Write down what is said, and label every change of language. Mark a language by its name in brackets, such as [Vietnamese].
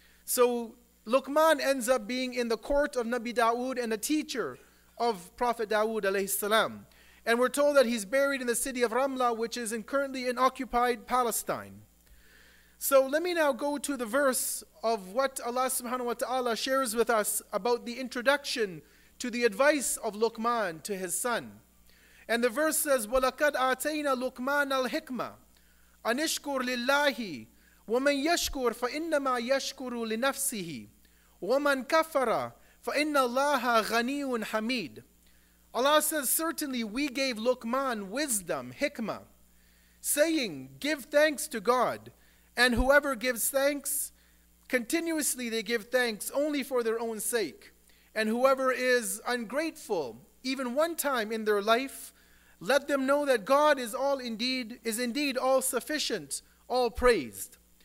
[English] So Luqman ends up being in the court of Nabi Dawood and a teacher of Prophet Dawood alayhi salam. And we're told that he's buried in the city of Ramla, which is currently in occupied Palestine. So let me now go to the verse of what Allah subhanahu wa ta'ala shares with us about the introduction to the advice of Luqman to his son. [Arabic] And the verse says, وَلَقَدْ آتَيْنَا لُقْمَانَ الْحِكْمَةِ أَنِشْكُرْ لِلَّهِ وَمَنْ يَشْكُرْ فَإِنَّمَا يَشْكُرُ لِنَفْسِهِ وَمَنْ كَفَرَ فَإِنَّ اللَّهَ غَنِيٌّ حَمِيدٌ. [English] Allah says, certainly we gave Luqman wisdom, hikmah, saying, give thanks to God, and whoever gives thanks, continuously they give thanks only for their own sake. And whoever is ungrateful, even one time in their life, let them know that God is indeed all sufficient, all praised.